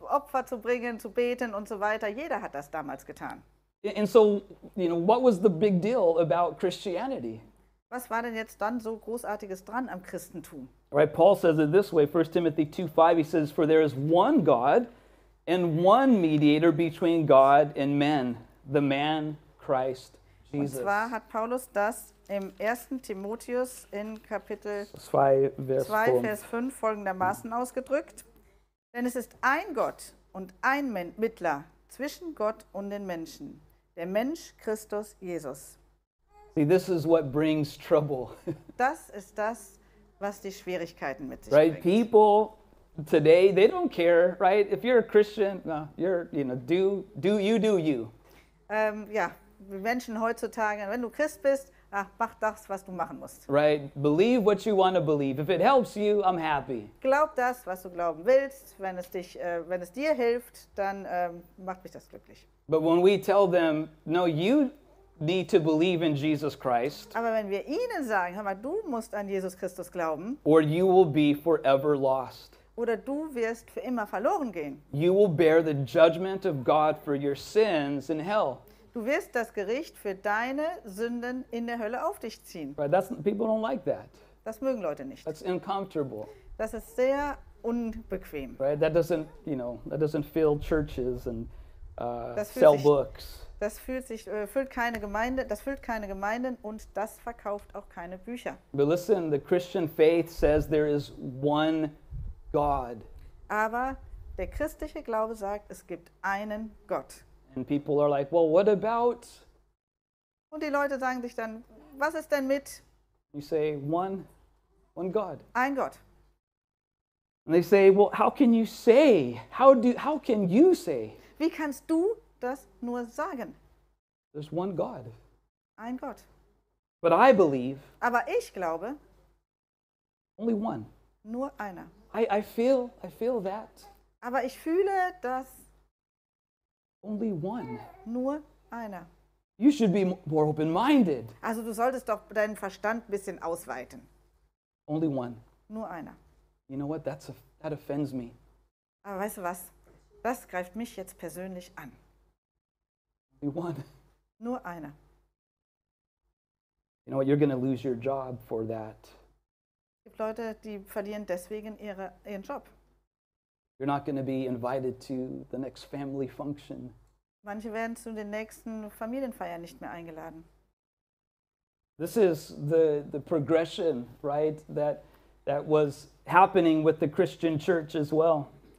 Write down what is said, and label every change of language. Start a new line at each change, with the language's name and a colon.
German: Opfer zu bringen, zu beten und so weiter. Jeder hat das damals getan.
English: And so, you know, what was the big deal about Christianity?
German: Was war denn jetzt dann so Großartiges dran am Christentum?
English: Right, Paul says it this way, 1 Timothy 2:5, he says, for there is one God and one mediator between God and men, the man Christ Jesus.
German: Und zwar hat Paulus das im 1. Timotheus in Kapitel 2, Vers 5 folgendermaßen ausgedrückt. Denn es ist ein Gott und ein Mittler zwischen Gott und den Menschen, der Mensch Christus Jesus.
English: See, this is what brings trouble.
German: Das ist das, was die Schwierigkeiten mit sich
English: right?
German: bringt.
English: People today, they don't care, right? If you're a Christian, you do you.
German: Ja, Menschen heutzutage, wenn du Christ bist, ach, mach das, was du machen musst.
English: Right, believe what you want to believe. If it helps you, I'm happy.
German: Glaub das, was du glauben willst. Wenn es dich, wenn es dir hilft, dann macht mich das glücklich.
English: But when we tell them, no, you need to believe in Jesus Christ.
German: Aber wenn wir ihnen sagen, hör mal, du musst an Jesus Christus glauben.
English: Or you will be forever lost.
German: Oder du wirst für immer verloren gehen.
English: You will bear the judgment of God for your sins in hell.
German: Du wirst das Gericht für deine Sünden in der Hölle auf dich ziehen.
English: Right, that's, people don't like that.
German: Das mögen Leute nicht.
English: That's uncomfortable.
German: Das ist sehr unbequem.
English: Right, that doesn't, you know, that doesn't fill churches and sell books.
German: Das fühlt sich füllt keine Gemeinde, das füllt keine Gemeinden und das verkauft auch keine Bücher.
English: But listen, the Christian faith says there is one God.
German: Aber der christliche Glaube sagt, es gibt einen Gott.
English: And people are like, well, what about?
German: Und die Leute sagen sich dann, was ist denn mit?
English: You say, one God.
German: Ein Gott.
English: And they say, well, how can you say? How can you say?
German: Wie kannst du das nur sagen?
English: There's one God.
German: Ein Gott.
English: But I believe.
German: Aber ich glaube.
English: Only one.
German: Nur einer.
English: I feel that.
German: Aber ich fühle das.
English: Only one.
German: Nur einer.
English: You should be more open-minded.
German: Also du solltest doch deinen Verstand ein bisschen ausweiten.
English: Only one.
German: Nur einer.
English: You know what? That offends me.
German: Aber weißt du was? Das greift mich jetzt persönlich an.
English: Only one.
German: Nur einer.
English: You know what? You're going to lose your job for that.
German: Es gibt Leute, die verlieren deswegen ihren Job.
English: You're not going to be invited to the next family function.
German: Manche werden zu den nächsten Familienfeiern nicht mehr eingeladen.
English: This is the progression, right? That was happening with the Christian church as well.